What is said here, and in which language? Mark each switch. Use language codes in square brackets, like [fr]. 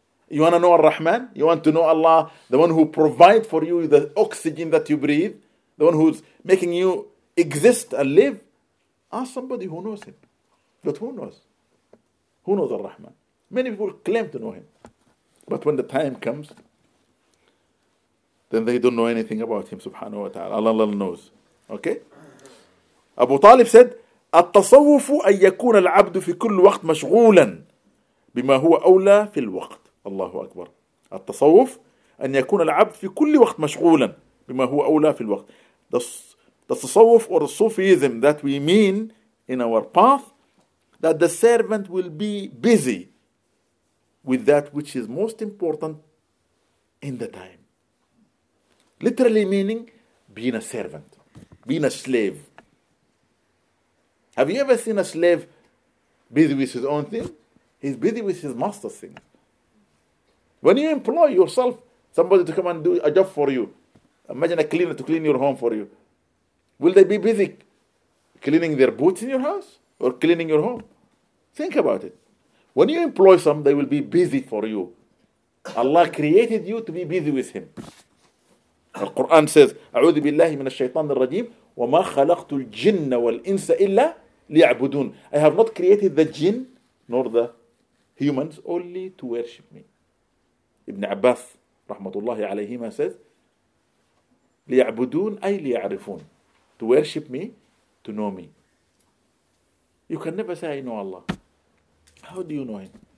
[en] You want to know Ar-Rahman? You want to know Allah, the one who provides for you the oxygen that you breathe, the one who's making you exist and live? Ask somebody who knows him. But who knows? Who knows Ar-Rahman? Many people claim to know him. But when the time comes, then they don't know anything about him, subhanahu wa ta'ala. Allah knows. Okay? Abu Talib said, [ar] التصوف أن يكون العبد في كل وقت مشغولا بما هو أولى في الوقت. الله أكبر. التصوف أن يكون العبد في كل وقت مشغولا بما هو أولى في الوقت. [en] The tasawuf or the Sufism that we mean in our path, that the servant will be busy with that which is most important in the time. Literally meaning being a servant, being a slave. Have you ever seen a slave busy with his own thing? He's busy with his master's thing. When you employ yourself, somebody to come and do a job for you, imagine a cleaner to clean your home for you, will they be busy cleaning their boots in your house or cleaning your home? Think about it. When you employ some, they will be busy for you. Allah created you to be busy with him. The Quran says, [ar] أعوذ بالله من الشيطان الرجيم وما خلقت الجن والإنس إلا ليعبدون. [en] I have not created the jinn nor the humans only to worship me. Ibn Abbas rahmatullahi alayhima says, [ar] ليعبدون أي ليعرفون. [en] To worship me, to know me. You can never say I know Allah. How do you know him?